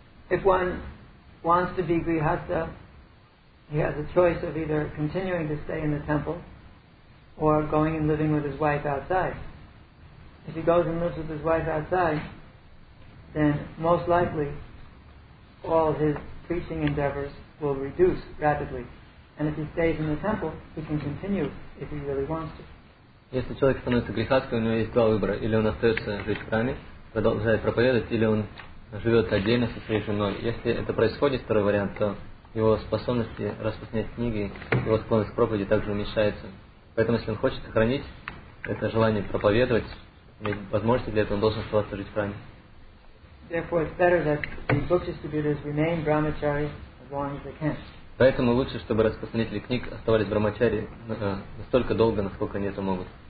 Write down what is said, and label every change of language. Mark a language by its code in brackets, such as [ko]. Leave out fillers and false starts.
[en] If one wants to be grihastha, he has a choice of either continuing to stay in the temple or going and living with his wife outside. If he goes and lives with his wife outside, then most likely all his preaching endeavors will reduce rapidly. And if he stays in the temple, he can continue if he really wants to. [ru] Если человек становится грихастхой, у него есть два выбора. Или он остается жить в храме, продолжает проповедовать, или он живет отдельно со своей женой. Если это происходит, второй вариант, то его способности распространять книги, его склонность к проповеди также уменьшается. Поэтому если он хочет сохранить это желание проповедовать, возможности для этого, он должен оставаться жить в храме. [en] Therefore, it's better that the book distributors remain brahmachari as long as they can. [ru] Поэтому лучше, чтобы распространители книг оставались брахмачари настолько долго, насколько они это могут.